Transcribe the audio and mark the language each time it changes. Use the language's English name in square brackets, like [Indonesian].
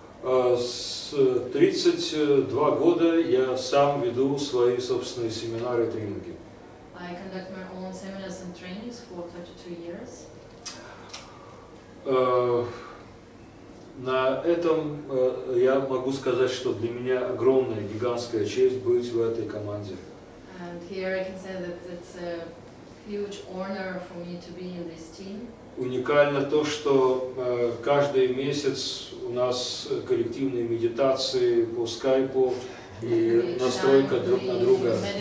[Russian] с 32 года я сам веду свои собственные семинары и тренинги. [English] I conduct my own seminars and trainings for 32 years. [Russian] На этом я могу сказать, что для меня огромная, гигантская честь быть в этой команде. [English] And here I can say that it's a huge honor for me to be in this team. [Russian] Уникально то, что каждый месяц у нас коллективные медитации по скайпу и настройка друг на друга.